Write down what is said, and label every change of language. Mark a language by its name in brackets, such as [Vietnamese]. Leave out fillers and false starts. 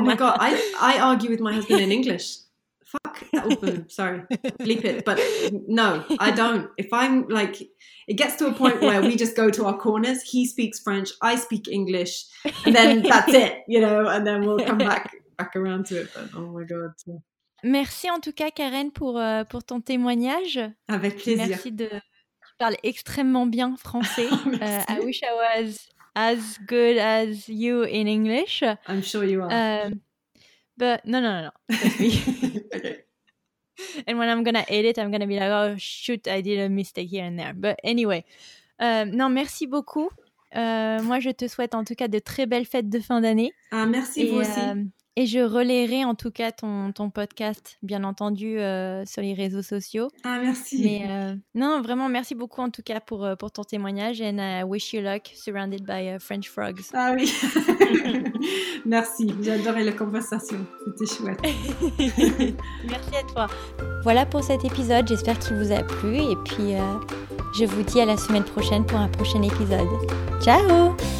[English] Oh my God, I argue with my husband in English. Fuck, sorry, bleep it. But no, I don't. If I'm like, it gets to a point where we just go to our corners, he speaks French, I speak English, and then that's it, you know, and then we'll come back around to it. But oh my God. [French] Merci en tout cas, Karen, pour ton témoignage. Avec plaisir. Merci de... Tu parles extrêmement bien français. [English] I wish I was as good as you in English. I'm sure you are. But no. Okay. And when I'm going to edit, I'm going to be like, oh, shoot, I did a mistake here and there. But anyway, [French] non, merci beaucoup. Moi, je te souhaite en tout cas de très belles fêtes de fin d'année. Ah, merci, vous aussi. Et je relayerai en tout cas ton podcast, bien entendu, sur les réseaux sociaux. Ah, merci. Mais, non, vraiment, merci beaucoup en tout cas pour ton témoignage. [English] And I wish you luck, surrounded by French frogs. [French] Ah oui. Merci, j'ai adoré la conversation. C'était chouette. Merci à toi. Voilà pour cet épisode, j'espère qu'il vous a plu. Et puis, je vous dis à la semaine prochaine pour un prochain épisode. Ciao.